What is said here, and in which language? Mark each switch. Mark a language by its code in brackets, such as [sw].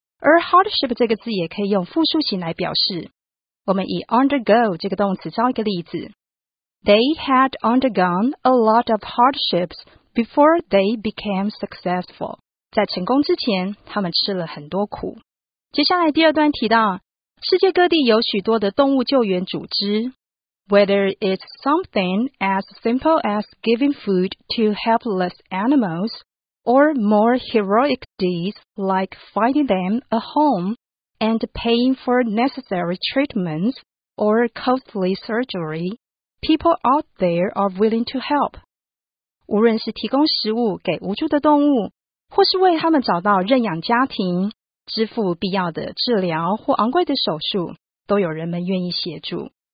[zh] 而 hardship 这个字也可以用复数形来表示，我们以 undergo 这个动词造一个例子， [en] They had undergone a lot of hardships before they became successful， [zh] 在成功之前他们吃了很多苦。接下来第二段提到世界各地有许多的动物救援组织， [en] Whether it's something as simple as giving food to helpless animals, or more heroic deeds like finding them a home and paying for necessary treatments or costly surgery, people out there are willing to help. [zh] 无论是提供食物给无助的动物，或是为他们找到认养家庭，支付必要的治疗或昂贵的手术，都有人们愿意协助。